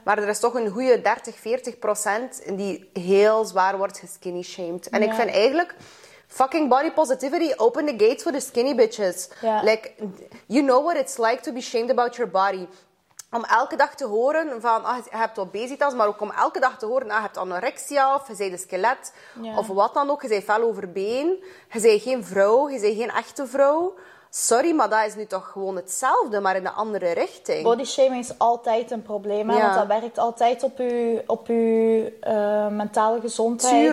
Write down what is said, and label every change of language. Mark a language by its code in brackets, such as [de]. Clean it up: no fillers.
[nl] Maar er is toch een goede 30-40% die heel zwaar wordt geskinny-shamed. En ik vind eigenlijk... [en] fucking body positivity, open the gates for the skinny bitches. Yeah. Like, you know what it's like to be shamed about your body. [nl] om elke dag te horen van, ah, je hebt obesitas, maar ook om elke dag te horen, ah, je hebt anorexia, of je bent een skelet, ja, of wat dan ook, je bent fel overbeen, je bent geen vrouw, je bent geen echte vrouw. Sorry, maar dat is nu toch gewoon hetzelfde, maar in de andere richting. Bodyshaming is altijd een probleem, hè? Ja. Want dat werkt altijd op uw mentale gezondheid.